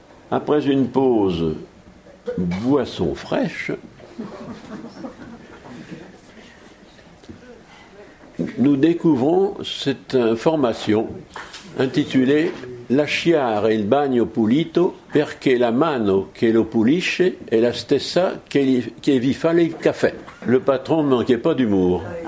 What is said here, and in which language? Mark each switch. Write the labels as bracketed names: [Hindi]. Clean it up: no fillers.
[French] Après une pause, boisson fraîche. Nous découvrons cette formation intitulée [Italian] lasciare il bagno pulito perché la mano che lo pulisce è la stessa che vi fa il caffè. [French] Le patron ne manquait pas d'humour.